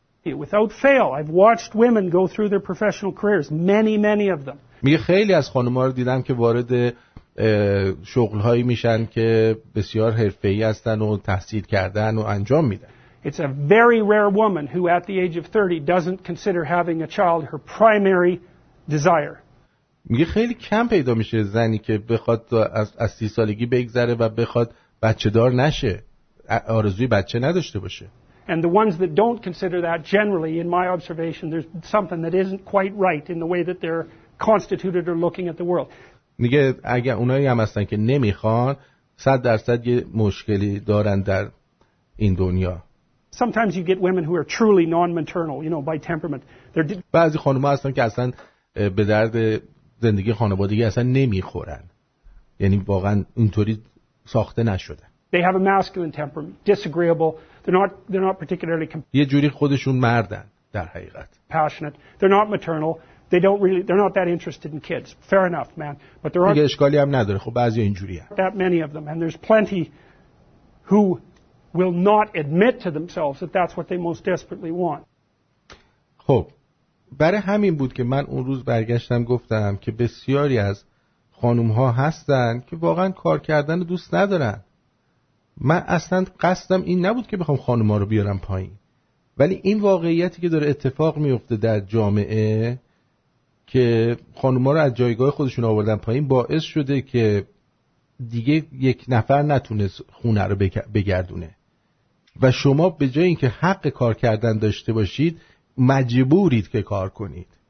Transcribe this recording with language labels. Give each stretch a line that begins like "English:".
English: Without fail, I've watched women go through their professional careers, many, many of them.
Persian: میگه خیلی از خانم‌ها رو دیدم که وارد شغل‌هایی میشن که بسیار حرفه‌ای هستن و تحصیل کردن و انجام میدن.
English: It's a very rare woman who at the age of 30 doesn't consider having a child her primary desire.
Persian: میگه خیلی کم پیدا میشه زنی که بخواد از 30 سالگی بگذره و بخواد بچه دار نشه، آرزوی بچه نداشته باشه.
English: And the ones that don't consider that, generally in my observation, there's something that isn't quite right in the way that they're constituted or looking at the world.
Persian: میگه اگه اونایی هم هستن که نمیخوان، 100% یه مشکلی دارن در این دنیا.
English: Sometimes you get women who are truly non-maternal, you know, by temperament.
Persian: بعضی خانوما هستن که اصلا به درد زندگی خانوادگی اصلا نمیخورن. یعنی واقعا اینطوری ساخته نشده.
English: They have a masculine temperament, disagreeable. They're not particularly
Persian: یه جوری خودشون مردن در حقیقت.
English: Passionate. They're not maternal. They're not that interested in kids. Fair enough, man. But there are
Persian: اشکالی هم نداره. خب بعضی اینجوریه.
English: That many of them and there's plenty who will not admit to themselves that that's what they most desperately want.
Persian: خب برای همین بود که من اون روز برگشتم گفتم که بسیاری از خانوم ها هستن که واقعا کار کردن دوست ندارن. من اصلا قصدم این نبود که بخوام خانوم ها رو بیارم پایین، ولی این واقعیتی که داره اتفاق میفته در جامعه که خانوم ها رو از جایگاه خودشون آوردن پایین باعث شده که دیگه یک نفر نتونه خونه رو بگردونه و شما به جای اینکه حق کار کردن داشته باشید مجبورید که کار کنید.